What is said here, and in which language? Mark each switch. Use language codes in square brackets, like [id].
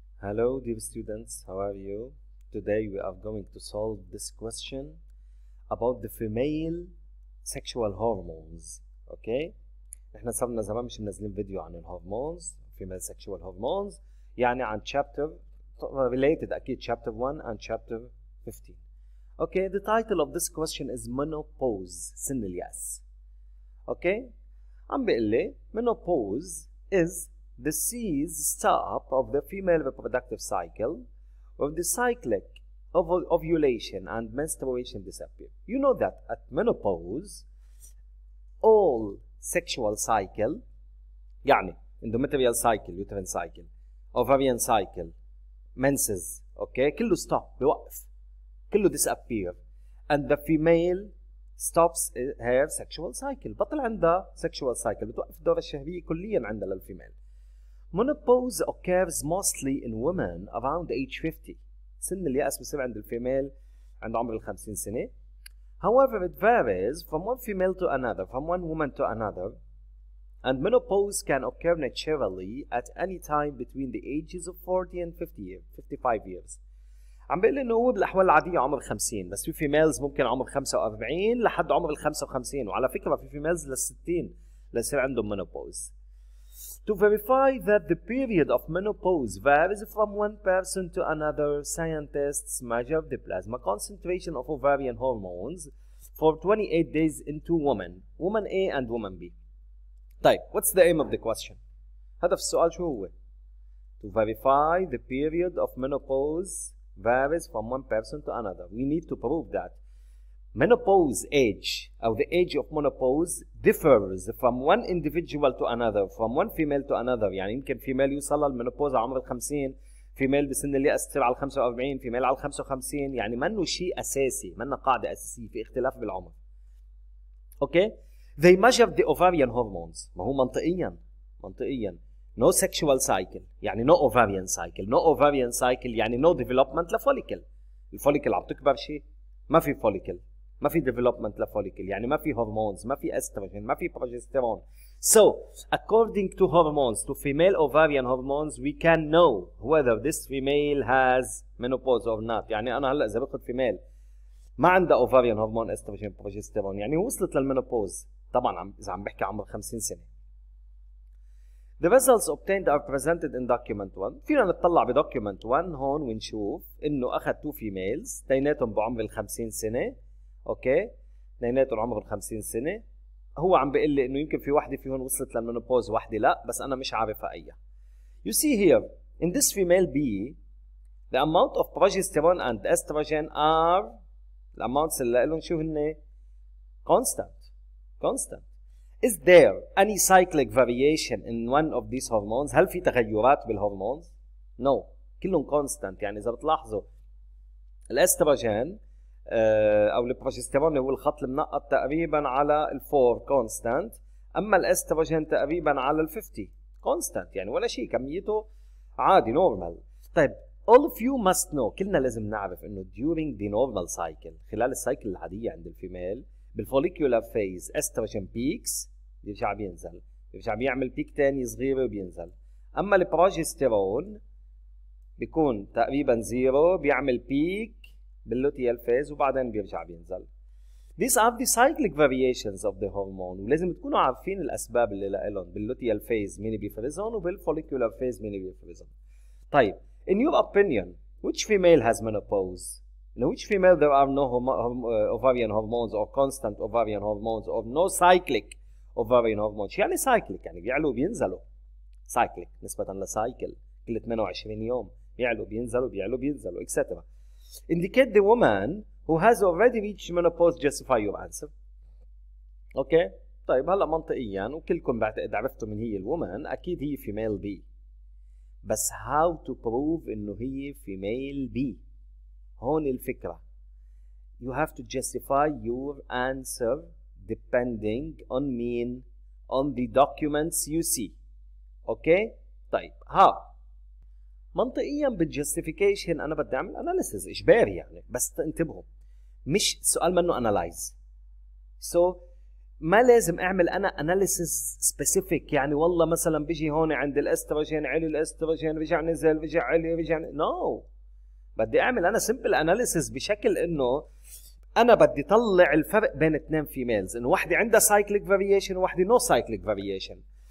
[en] Hello, dear students, how are you? Today we are going to solve this question about the female sexual hormones. Okay? [ar] احنا صرنا زمان مش منزلين فيديو عن الهرمونز, [en] female sexual hormones, [ar] يعني عن [en] chapter related, [ar] اكيد [en] chapter 1 and chapter 15. Okay, the title of this question is menopause, [ar] سن الياس. [en] Okay? [ar] عم بيقول لي [en] menopause is the cease stop of the female reproductive cycle when the cyclic ovulation and menstruation disappear. You know that at menopause, all sexual cycle, يعني endometrial cycle, uterine cycle, ovarian cycle, menses, okay, كله stop, [ar] بيوقف, كله [en] disappear, and the female stops her sexual cycle, [ar] بطل عندها [en] sexual cycle, [ar] بتوقف الدورة الشهرية كليا عندها للفيميل. [en] Menopause occurs mostly in women around age 50. [ar] سن اليأس بصير عند الفيميل عند عمر ال 50 سنة. [en] However, it varies from one female to another, from one woman to another. And menopause can occur naturally at any time between the ages of 40 and 50 years, 55 years. [ar] عم بيقول لي انه هو بالاحوال العادية عمر 50, بس في فيميلز ممكن عمر 45 لحد عمر ال 55, وعلى فكرة في فيميلز لل 60 لصير عندهم menopause. [en] To verify that the period of menopause varies from one person to another, scientists measure the plasma concentration of ovarian hormones for 28 days in two women, woman A and woman B. طيب, what's the aim of the question? [ar] هدف السؤال شو هو؟ [en] To verify the period of menopause varies from one person to another. We need to prove that menopause age, or the age of menopause, differs from one individual to another, from one female to another. [ar] يعني يمكن female يوصل للمنوبوز عمر الخمسين, female بسن اليأس تصير على الخمسة وأربعين, female على الخمسة وخمسين, يعني منه شيء أساسي, منه قاعدة أساسية في اختلاف بالعمر. [en] Okay? They measure the ovarian hormones. [ar] ما هو منطقيا. [en] No sexual cycle. يعني no ovarian cycle. No ovarian cycle يعني no development لفوليكل. [ar] الفوليكل عم تكبر شيء. ما في فوليكل. ما في development لفوليكل, يعني ما في هرمونز, ما في استروجين, ما في بروجستيرون. [en] So, according to hormones, to female ovarian hormones, we can know whether this female has menopause or not. [ar] يعني أنا هلأ إذا بأخذ female ما عندها [en] ovarian hormone, [ar] استروجين, بروجستيرون, يعني وصلت للمنوبوز. طبعاً إذا عم بحكي عمر 50 سنة. [en] The results obtained are presented in document 1. [ar] فينا نطلع بدوكيمنت 1 هون ونشوف إنه أخذ 2 females, تيناتهم بعمر 50 سنة. اوكي اثنيناتهم عمر 50 سنه. هو عم بيقول لي انه يمكن في وحده فيهم وصلت للمنوبوز وحده لا, بس انا مش عارفها اي. [en] You see here in this female B the amount of progesterone and estrogen are the amounts [ar] اللي لهم شو هن [en] constant. Is there any cyclic variation in one of these hormones? [ar] هل في تغيرات بالهرمونز؟ [en] No, [ar] كلهم constant. يعني اذا بتلاحظوا الاستروجين او البروجستيرون هو الخط المنقط تقريبا على الفور كونستانت, اما الاستروجين تقريبا على الفيفتي كونستانت, يعني ولا شيء, كميته عادي نورمال. طيب, [en] all of you must know, [ar] كلنا لازم نعرف انه [en] during the normal cycle, [ar] خلال السايكل العادية عند الفيميل, بالفوليكولار فيز استروجين بيكس, بيرجع بينزل, بيرجع بيعمل بيك تاني صغيرة وبينزل, اما البروجستيرون بيكون تقريبا زيرو, بيعمل بيك باللوتيال فيز وبعدين بيرجع بينزل. [en] These are the cyclic variations of the hormone. [ar] ولازم تكونوا عارفين الأسباب اللي لهم باللوتيال فيز مين بيفرزهم وبالفوليكولار فيز مين بيفرزهم. [en] طيب, in your opinion, which female has menopause? In which female there are no ovarian hormones or constant ovarian hormones or no cyclic ovarian hormones? [ar] يعني cyclic, يعني بيعلوا بينزلوا. Cyclic نسبة لسايكل, كل 28 يوم بيعلوا بينزلوا, بيعلوا بينزلوا, etc. [en] Indicate the woman who has already reached menopause to justify your answer. Okay? [ar] طيب, هلا منطقيا وكلكم بعتقد عرفتوا من هي الومان, اكيد هي فيميل بي. بس [en] how to prove [ar] انه هي فيميل بي؟ هون الفكره. [en] You have to justify your answer depending on mean on the documents you see. Okay? طيب, how? [ar] منطقيا بالجستيفيكيشن انا بدي اعمل اناليسز اجباري, يعني بس انتبهوا مش سؤال منه اناليز. سو ما لازم اعمل انا اناليسيس سبيسيفيك، يعني والله مثلا بيجي هون عند الاستروجين علي الاستروجين رجع نزل رجع علي رجع نو بدي اعمل انا سمبل اناليسيس بشكل انه انا بدي طلع الفرق بين اثنين فيميلز، انه وحده عندها سايكليك فارييشن وحده نو سايكليك فارييشن.